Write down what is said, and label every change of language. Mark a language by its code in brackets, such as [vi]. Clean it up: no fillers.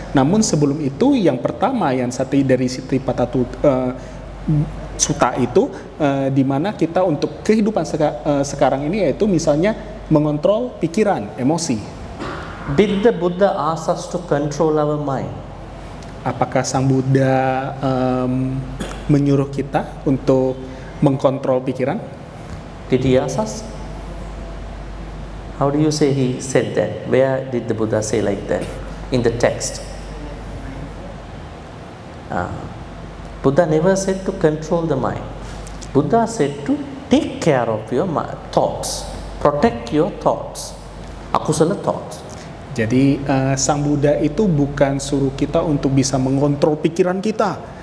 [id] Namun sebelum itu, yang pertama yang satu dari Satipatthana Sutta itu di mana kita untuk kehidupan sekarang ini yaitu misalnya mengontrol pikiran, emosi. [en] Did the Buddha ask us to control our mind? [id] Apakah Sang Buddha menyuruh kita untuk mengontrol pikiran? [en] Did he ask us? How do you say he said that? Where did the Buddha say like that? In the text. Buddha never said to control the mind. Buddha said to take care of your thoughts. Protect your thoughts. Akusala thoughts. [id] Jadi Sang Buddha itu bukan suruh kita untuk bisa mengontrol pikiran kita.